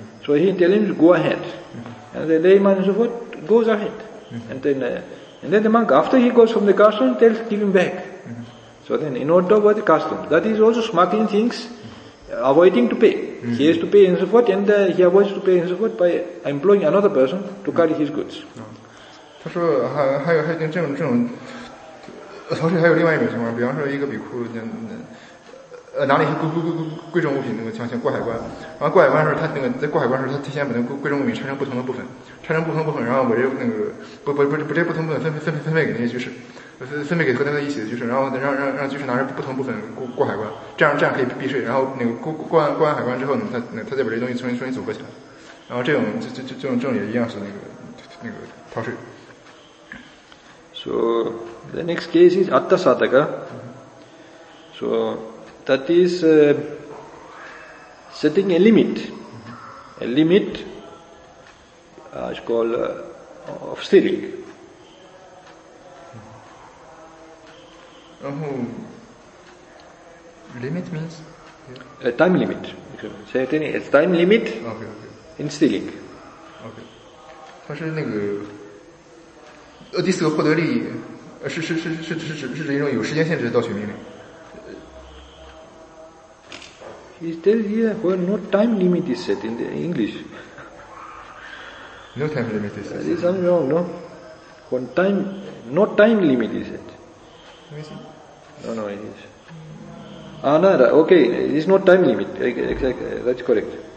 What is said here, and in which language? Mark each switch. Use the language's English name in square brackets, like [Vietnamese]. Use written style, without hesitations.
[English] So he tells him, go ahead. And the layman and so forth goes ahead. And then the monk, after he goes from the custom, tells give him back. So then, in order to avoid the custom, that is also smuggling things, avoiding to pay. He has to pay and so forth, and he avoids to pay and so forth by employing another person to carry his goods. [Chinese] 他说还有这种逃税，还有另外一种情况，比方说一个比库拿了一些贵重物品，那个像过海关，然后过海关的时候，他那个在过海关的时候，他提前把那个贵重物品拆成不同的部分，拆成不同的部分，然后把这那个不这不同部分分配给那些居士，分配给和他们一起的居士，然后让居士拿着不同部分过海关，这样可以避税，然后那个过完海关之后呢，他再把这东西重新组合起来，然后这种也一样是那个逃税。 [English] So the next case is Atta Sataka. So that is setting a limit. A limit is called of stealing. [Chinese] 然后 [English] limit means? A time limit. Setting a time limit in stealing. Okay. [Chinese] 它是那个第四个获得利益，是指一种有时间限制的盗取命令。 [English] He tells here where no time limit is set in the English. No time limit is set. There is something wrong, no? When time, no time limit is set. No, it is. It is no time limit. Exactly, that's correct.